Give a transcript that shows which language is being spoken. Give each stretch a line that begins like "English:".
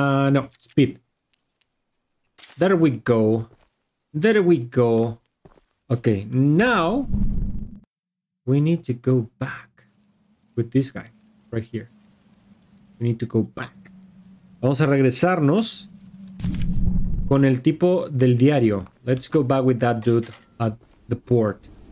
English: No, speed. There we go. There we go. Okay, now we need to go back with this guy right here. We need to go back.
Spanish: Vamos a regresarnos con el tipo del diario.
English: Let's go back with that dude at the port.